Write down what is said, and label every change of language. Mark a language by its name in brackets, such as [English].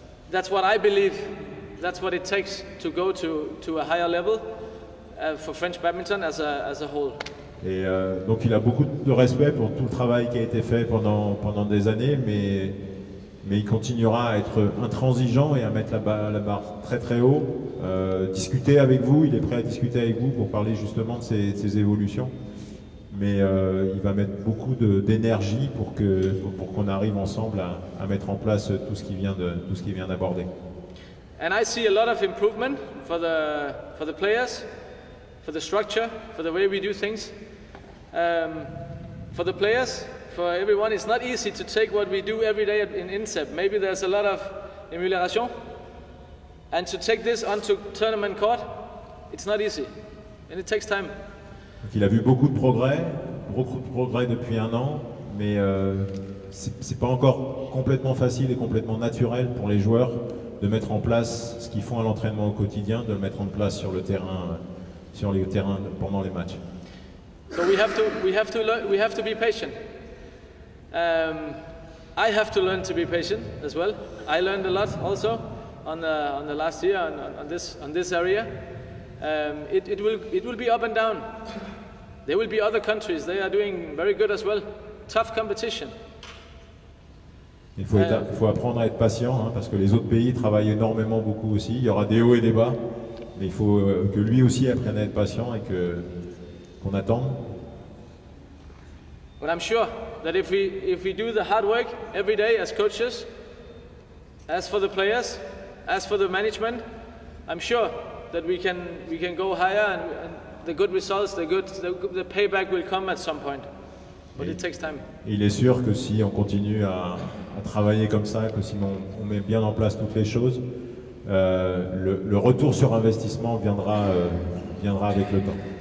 [English] That's what I believe. That's what it takes to go to a higher level for French badminton as a whole. [French] Et donc il a beaucoup de respect pour tout le travail qui a été fait pendant des années, mais il continuera à être intransigeant et à mettre la barre très très haut. Discuter avec vous, il est prêt à discuter avec vous pour parler justement de ces évolutions. Mais il va mettre beaucoup d'énergie pour qu'on arrive ensemble à mettre en place tout ce qui vient d'aborder. [English] And I see a lot of improvement for the players, for the structure, for the way we do things. For the players, for everyone, it's not easy to take what we do every day in INSEP. Maybe there's a lot of émulation. And to take this onto tournament court, it's not easy. And it takes time. [French] Donc il a vu beaucoup de progrès depuis un an, mais c'est pas encore complètement facile et complètement naturel pour les joueurs de mettre en place ce qu'ils font à l'entraînement au quotidien, de le mettre en place sur les terrains pendant les matchs. [English] So we have to be patient. I have to learn to be patient as well. I learned a lot also on the last year on this area. It will be up and down. There will be other countries, they are doing very good as well. Tough competition. [French] Il faut apprendre à être patient, hein, parce que les autres pays travaillent énormément beaucoup aussi. Il y aura des hauts et des bas, mais il faut que lui aussi apprenne à être patient et qu'on attende. [English] But I'm sure that if we do the hard work every day as coaches, as for the players, as for the management, I'm sure that we can go higher and the good results, the payback will come at some point, but it takes time. [French] Il est sûr que si on continue à travailler comme ça, que si on met bien en place toutes les choses, le retour sur investissement viendra avec le temps.